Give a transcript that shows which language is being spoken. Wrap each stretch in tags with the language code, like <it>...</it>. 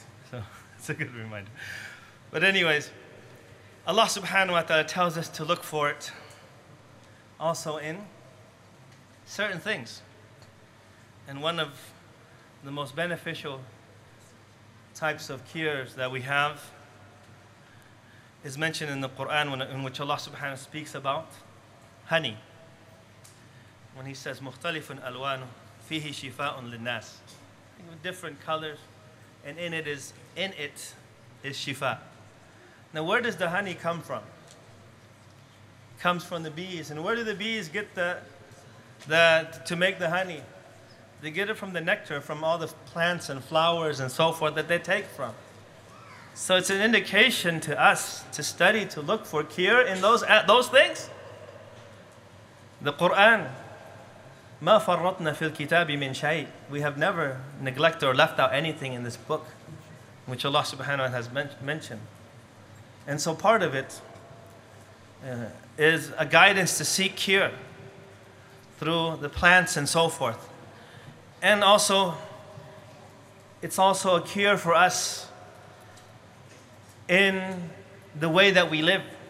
<en>So it's a good reminder. But anyways, Allah subhanahu wa ta'ala tells us to look for it also in certain things. And one of the most beneficial types of cures that we have is mentioned in the Quran, in which Allah subhanahu wa ta'ala speaks about honey. When he says,</en> <ar>مُخْتَلِفٌ أَلْوَانُ فِيهِ شِفَاءٌ لِلنَّاسِ.</ar> <en>Different colors, and in it is shifa. Now, where does the honey come from? It comes from the bees. And where do the bees get to make the honey? They get it from the nectar, from all the plants and flowers and so forth that they take from. So it's an indication to us to study, to look for cure in those things. The Quran,</en> <ar>مَا فَرَّطْنَا فِي الْكِتَابِ مِنْ شَيْءٍ.</ar> <en>We have never neglected or left out anything in this book, which Allah subhanahu wa ta'ala has mentioned. And so part of it is a guidance to seek cure through the plants and so forth. And also, it's also a cure for us in the way that we live.</en>